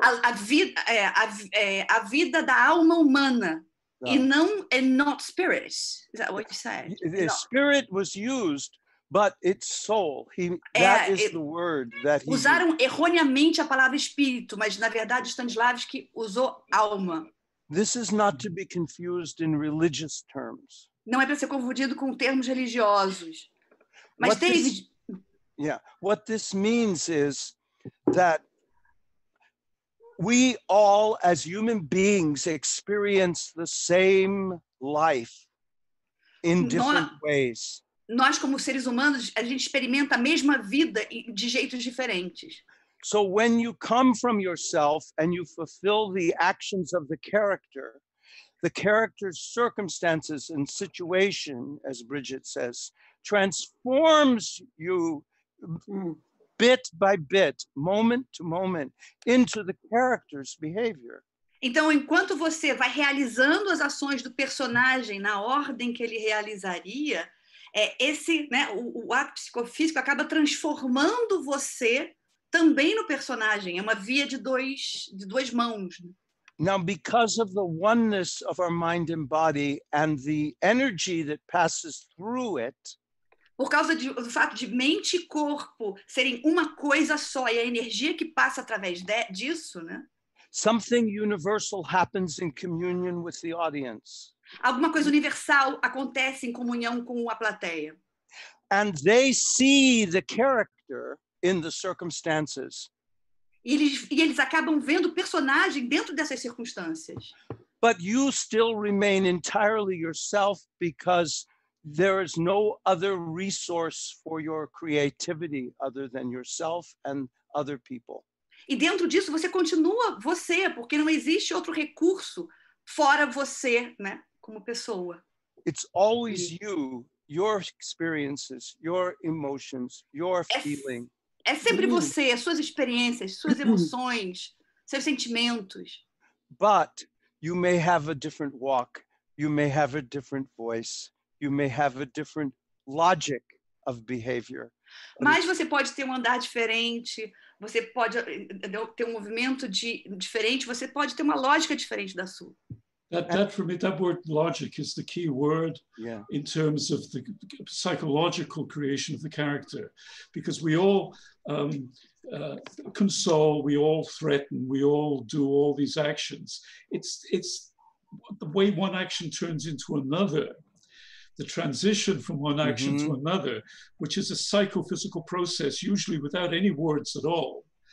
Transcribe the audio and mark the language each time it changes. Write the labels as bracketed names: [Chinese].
[Portuguese] A vida da alma humana, e não, [English] and not spirit. Is that what you said? Spirit was used. But it's soul. The word that he [Portuguese] usaram [English] used. [Portuguese] Erroneamente a palavra espírito, mas na verdade Stanislavski usou alma. [English] This is not to be confused in religious terms. [Portuguese] Não é para ser confundido com termos religiosos. Mas [English] what David, what this means is that we all as human beings experience the same life in different ways. [Portuguese] Nós, como seres humanos, a gente experimenta a mesma vida de jeitos diferentes. [English] So when you come from yourself and you fulfill the actions of the character's circumstances and situation, as Brigid says, transforms you bit by bit, moment to moment, into the character's behavior. [Portuguese] Então, enquanto você vai realizando as ações do personagem na ordem que ele realizaria, o ato psicofísico acaba transformando você também no personagem. É uma via de duas mãos. [English] Now, because of the oneness of our mind and body and the energy that passes through it, [Portuguese] por causa do fato de mente e corpo serem uma coisa só e a energia que passa através disso, né? [English] Something universal happens in communion with the audience. [Portuguese] Alguma coisa universal acontece em comunhão com a plateia. [English] And they see the character in the circumstances. [Portuguese] E eles acabam vendo o personagem dentro dessas circunstâncias. [English] But you still remain entirely yourself because there is no other resource for your creativity other than yourself and other people. [Portuguese] E dentro disso você continua você, porque não existe outro recurso fora você, né? Como pessoa. [English] It's always you, your experiences, your emotions, your feeling. [Portuguese] É sempre você, as suas experiências, suas emoções, seus sentimentos. [English] But you may have a different walk, you may have a different voice, you may have a different logic of behavior. [Portuguese] Mas você pode ter um andar diferente, você pode ter um movimento diferente, você pode ter uma lógica diferente da sua. [English] That for me, that word logic is the key word in terms of the psychological creation of the character. Because we all console, we all threaten, we all do all these actions. It's the way one action turns into another, the transition from one action to another, which is a psychophysical process, usually without any words at all.